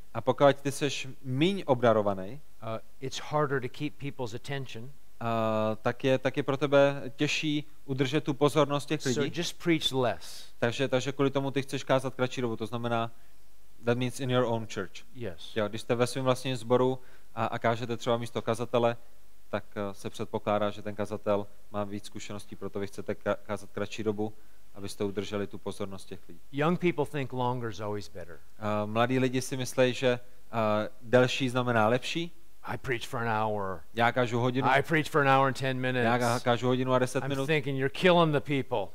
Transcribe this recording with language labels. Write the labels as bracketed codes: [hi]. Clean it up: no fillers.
[cs] a pokud ty seš míň obdarovaný, [en] it's harder to keep people's attention. [cs] Tak je pro tebe těžší udržet tu pozornost těch lidí. [en] So just preach less. [cs] Takže kvůli tomu ty chceš kázat kratší dobu, to znamená [en] that means in your own church. Yes. [cs] Jo, když jste ve svém vlastním sboru a kážete třeba místo kazatele, tak se předpokládá, že ten kazatel má víc zkušeností, proto vy chcete kázat kratší dobu, abyste udrželi tu pozornost těch lidí. [en] Young people think longer is always better. [cs] Mladí lidi si myslí, že delší znamená lepší. [en] I preach for an hour. [cs] Já kážu hodinu. [en] I preach for an hour and 10 minutes. [cs] Já kážu hodinu a 10 minut. [en] I'm thinking you're killing the people.